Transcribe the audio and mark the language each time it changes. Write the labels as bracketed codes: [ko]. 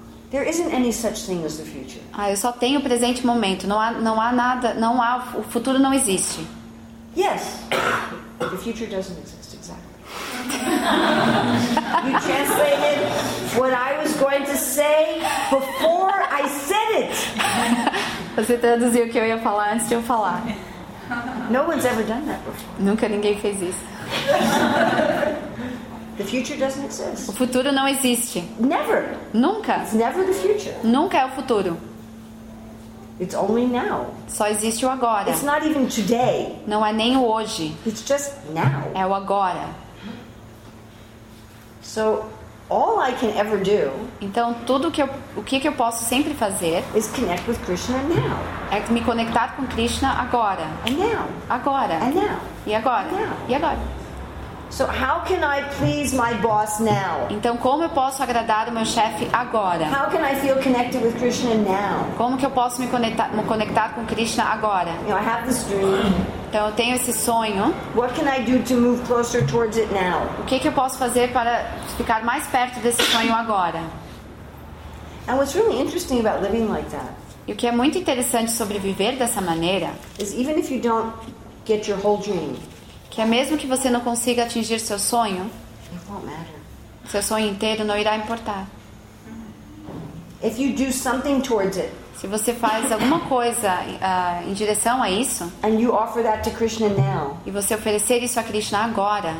[en] There isn't any such thing as the future. [pt] Ah, eu só tenho o presente momento. Não há nada, não há, o futuro não existe. [en] Yes. The future doesn't exist, exactly. You translated what I was going to say before I said it. [pt] Você traduziu o que eu ia falar antes de eu falar. [en] No one's ever done that before. [pt] Nunca ninguém fez isso. [en] The future doesn't exist. [pt] O futuro não existe. [en] Never. [pt] Nunca. [en] It's never the future. [pt] Nunca é o futuro. [en] It's only now. [pt] Só existe o agora. [en] It's not even today. [pt] Não é nem o hoje. [en] It's just now. [pt] É o agora. [en] So all I can ever do. [pt] Então tudo que eu posso sempre fazer [en] is connect with Krishna now. [pt] É me conectar com Krishna agora. [en] And now. [pt] Agora. [en] And now. [pt] E agora. [en] And now. [pt] E agora. [en] So how can I please my boss now? [pt] Então como eu posso agradar o meu chefe agora? [en] How can I feel connected with Krishna now? [pt] Como que eu posso me conectar com Krishna agora? [en] You know, I have this dream. [pt] Então eu tenho esse sonho. [en] What can I do to move closer towards it now? [pt] O que eu posso fazer para ficar mais perto desse sonho agora? [en] And what's really interesting about living like that? [pt] E o que é muito interessante sobre viver dessa maneira? [en] Is even if you don't get your whole dream. [pt] Que é mesmo que você não consiga atingir seu sonho, seu sonho inteiro não irá importar. [en] If you do something towards it, [pt] se você faz alguma coisa em direção a isso, [en] and you offer that to Krishna now, [pt] e você oferecer isso a Krishna agora,